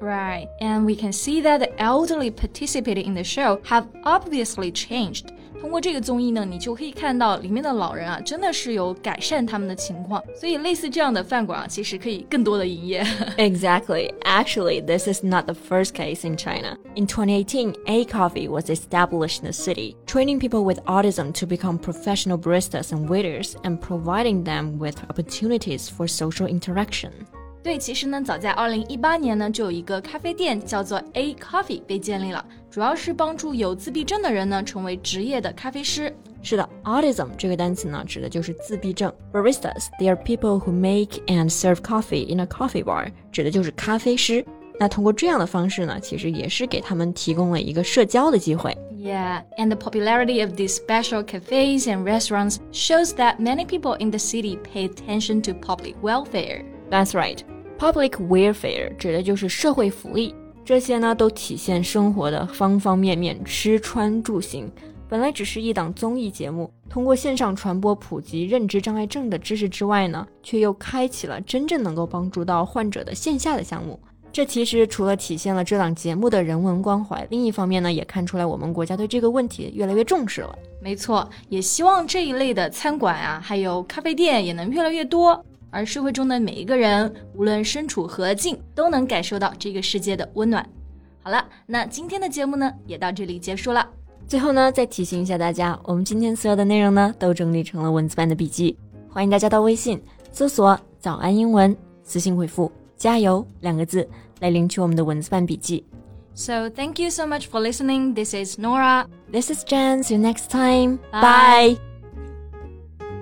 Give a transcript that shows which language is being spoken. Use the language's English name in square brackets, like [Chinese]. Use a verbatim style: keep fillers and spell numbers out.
[English] Right, and we can see that the elderly participating in the show have obviously changed. [Chinese] 通过这个综艺呢，你就可以看到里面的老人啊，真的是有改善他们的情况。所以类似这样的饭馆啊，其实可以更多的营业。 [English] Exactly. Actually, this is not the first case in China. In twenty eighteen, A Coffee was established in the city, training people with autism to become professional baristas and waiters, and providing them with opportunities for social interaction. [Chinese] 对，其实呢，早在二零一八年呢，就有一个咖啡店叫做 A Coffee 被建立了，主要是帮助有自闭症的人呢，成为职业的咖啡师。是的 autism 这个单词呢指的就是自闭症 [English] Baristas, they are people who make and serve coffee in a coffee bar [Chinese] 指的就是咖啡师那通过这样的方式呢其实也是给他们提供了一个社交的机会 [English] Yeah, and the popularity of these special cafes and restaurants shows that many people in the city pay attention to public welfare That's right, public welfare [Chinese] 指的就是社会福利这些呢都体现生活的方方面面吃穿住行本来只是一档综艺节目，通过线上传播普及认知障碍症的知识之外呢，却又开启了真正能够帮助到患者的线下的项目。这其实除了体现了这档节目的人文关怀，另一方面呢，也看出来我们国家对这个问题越来越重视了。没错，也希望这一类的餐馆啊，还有咖啡店也能越来越多，而社会中的每一个人，无论身处何境，都能感受到这个世界的温暖。好了，那今天的节目呢，也到这里结束了。最后呢，再提醒一下大家，我们今天所有的内容呢，都整理成了文字版的笔记，欢迎大家到微信搜索“早安英文”，私信回复“加油”两个字来领取我们的文字版笔记。 [English] So thank you so much for listening. This is Nora. This is Jen. See you next time. Bye. Bye.